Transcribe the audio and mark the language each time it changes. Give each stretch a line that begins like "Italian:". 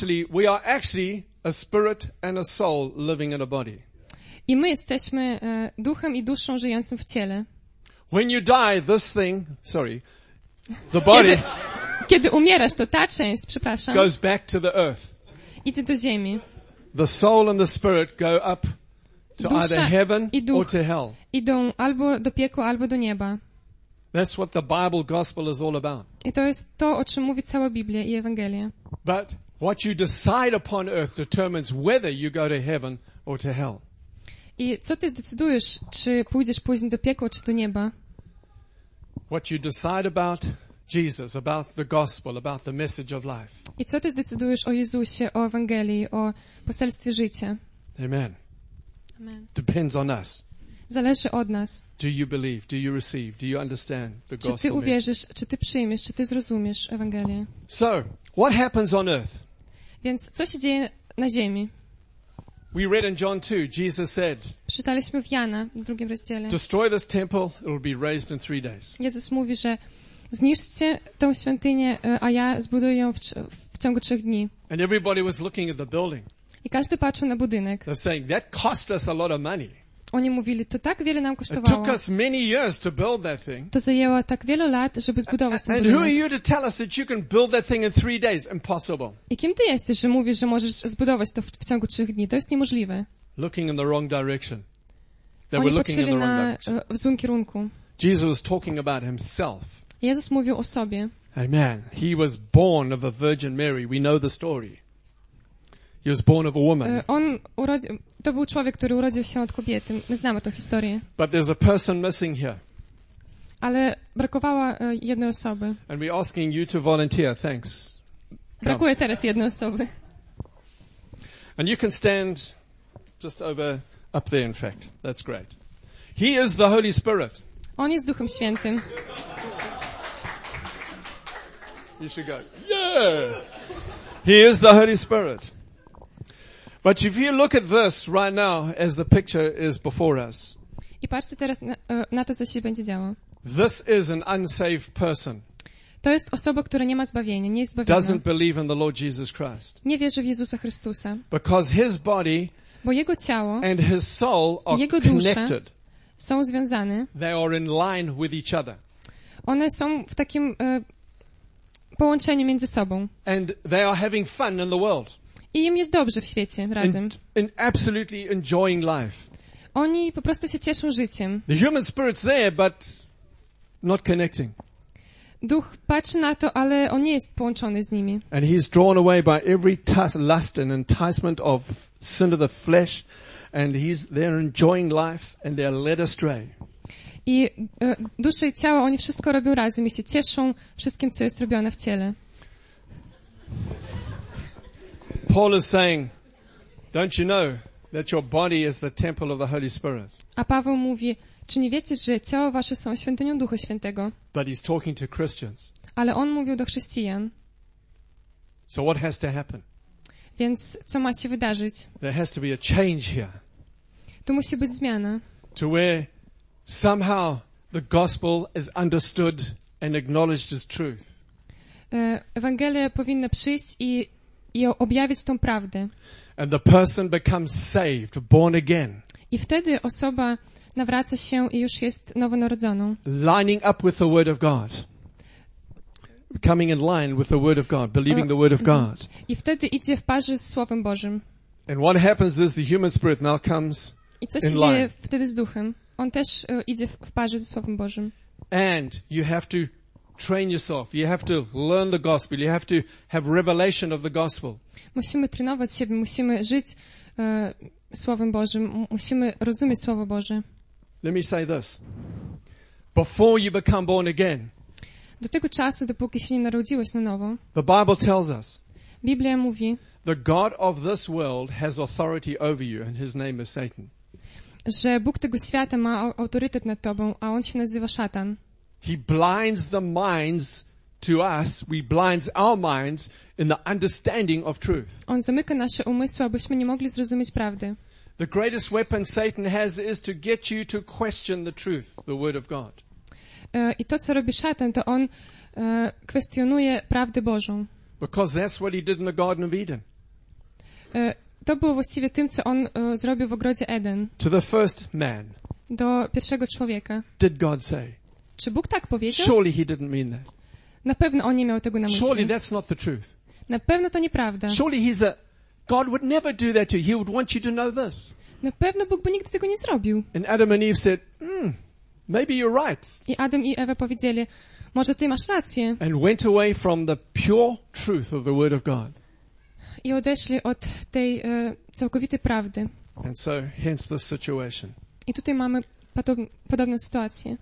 English: We are actually a spirit and a soul living in a body.
Polish: I my jesteśmy duchem i duszą żyjącym w ciele.
English: When you die, this thing, sorry, the body.
Polish: Kiedy umierasz, to ta część, przepraszam.
English: Goes back to the earth.
Polish: Idzie do ziemi.
English: The soul and the spirit go up to
Polish: dusza
English: either heaven
Polish: i duch
English: or to hell.
Polish: Idą albo do piekła, albo do nieba.
English: That's what the Bible gospel is all about.
Polish: I to jest to, o czym mówi cała Biblia i Ewangelia.
English: But what you decide upon earth determines whether you go to heaven or to hell.
Polish: I co ty zdecydujesz, czy pójdziesz później do piekła, czy do nieba?
English: What you decide about Jesus, about the gospel, about the message of life.
Polish: I co ty zdecydujesz o Jezusie, o Ewangelii, o poselstwie życia? Amen. Amen.
English: Depends on us.
Polish: Zależy od nas.
English: Do you believe? Do you receive? Do you understand the gospel?
Polish: Czy ty uwierzysz, czy ty przyjmiesz, czy ty zrozumiesz Ewangelię?
English: So, what happens on earth?
Polish: Więc co się dzieje na ziemi?
English: We read in John 2, Jesus said,
Polish: przeczytaliśmy w Jana, w drugim rozdziale.
English: Destroy this temple, it will be raised in three days.
Polish: Jezus mówi, że zniszczcie tę świątynię, a ja zbuduję ją w ciągu trzech dni.
English: And everybody was looking at the building.
Polish: I każdy patrzył na budynek.
English: They're saying, that cost us a lot of money.
Polish: Oni mówili, to tak wiele nam kosztowało.
English: It took us many years to build that thing.
Polish: To zajęło tak wiele lat, żeby zbudować ten budynek.
English: And who are you to tell us that you can build that thing in three days? Impossible.
Polish: I kim ty jesteś, że mówisz, że możesz zbudować to w ciągu trzech dni? To jest niemożliwe.
English: Looking in the wrong direction. They were looking in the wrong direction.
Polish: W złym kierunku.
English: Jesus was talking about himself.
Polish: Jezus mówił o sobie. Amen.
English: He was born of a virgin Mary. We know the story. He was born of a woman.
Polish: On urodził, to był człowiek, który urodził się od kobiety. My znamy tę historię.
English: But there's a person missing here.
Polish: Ale brakowała jednej osoby.
English: And we're asking you to volunteer. Thanks.
Polish: Brakuje teraz jednej osoby.
English: And you can stand just over up there, in fact. That's great. He is the Holy Spirit.
Polish: On jest Duchem Świętym.
English: You should go. Yeah! He is the Holy Spirit. But if you look at this right now as the picture is before us.
Polish: I patrzcie teraz na to, co się będzie działo.
English: This is an unsaved person.
Polish: To jest osoba, która nie ma zbawienia, nie jest zbawiona.
English: Doesn't believe in the Lord Jesus Christ.
Polish: Nie wierzy w Jezusa Chrystusa.
English: Because his body,
Polish: bo jego ciało
English: and his soul are
Polish: jego dusza
English: connected.
Polish: Są związane.
English: They are in line with each other.
Polish: One są w takim połączeniu między sobą.
English: And they are having fun in the world.
Polish: I im jest dobrze w świecie razem.
English: And absolutely enjoying life.
Polish: Oni po prostu się cieszą życiem.
English: The human spirit's there, but not connecting.
Polish: Duch patrzy na to, ale on nie jest połączony z nimi.
English: And he's drawn away by every lust and enticement of sin of the flesh, and they're enjoying life and they're led astray.
Polish: I dusza i ciało, oni wszystko robią razem i się cieszą wszystkim, co jest robione w ciele.
English: Paul is saying, don't you know that your body is the temple of the Holy Spirit?
Polish: A Paweł mówi, czy nie wiecie, że ciało wasze są świątynią Ducha Świętego?
English: But he's talking to Christians.
Polish: Ale on mówił do chrześcijan.
English: So what has to happen?
Polish: Więc co ma się wydarzyć?
English: There has to be a change here.
Polish: Tu musi być zmiana.
English: To where somehow the gospel is understood and acknowledged as truth.
Polish: Ewangelia powinna przyjść i objawić tą prawdę.
English: And the person becomes saved, born again.
Polish: I wtedy osoba nawraca się i już jest nowonarodzoną.
English: Lining up with the word of God. Coming in line with the word of God, believing the word of God.
Polish: I wtedy idzie w parze z Słowem Bożym.
English: And what happens is the human spirit now comes in line.
Polish: I co się dzieje wtedy z Duchem? On też idzie w parze ze Słowem Bożym.
English: And you have to train yourself. You have to learn the gospel. You have to have revelation of the gospel.
Polish: Musimy trenować siebie, musimy żyć Słowem Bożym, musimy rozumieć Słowo Boże.
English: Let me say this. Before you become born again,
Polish: do tego czasu, dopóki się nie narodziłeś na nowo,
English: the Bible tells us,
Polish: Biblia mówi,
English: the God of this world has authority over you, and his name is Satan.
Polish: Że Bóg tego świata ma autorytet nad tobą, a on się nazywa Szatan.
English: He blinds the minds to us, we blinds our minds in the understanding of truth.
Polish: On zamyka nasze umysły, abyśmy nie mogli zrozumieć prawdy.
English: The greatest weapon Satan has is to get you to question the truth, the word of God.
Polish: I to, co robi Szatan, to on kwestionuje prawdę Bożą.
English: Because that's what he did in the Garden of Eden.
Polish: To było właściwie tym, co on zrobił w ogrodzie Eden.
English: To the first man.
Polish: Do pierwszego człowieka.
English: Did God say?
Polish: Czy Bóg tak powiedział?
English: Surely he didn't mean that.
Polish: Na pewno on nie miał tego na myśli.
English: Surely that's not the truth.
Polish: Na pewno to nieprawda.
English: Surely he's a God would never do that to you. He would want you to know this.
Polish: Na pewno Bóg by nigdy tego nie zrobił.
English: And Adam and Eve said, maybe you're right.
Polish: I Adam i Ewa powiedzieli, może ty masz rację.
English: And went away from the pure truth of the word of God.
Polish: I odeszli od tej całkowitej prawdy.
English: And so, hence the situation.
Polish: I tutaj mamy podobną sytuację.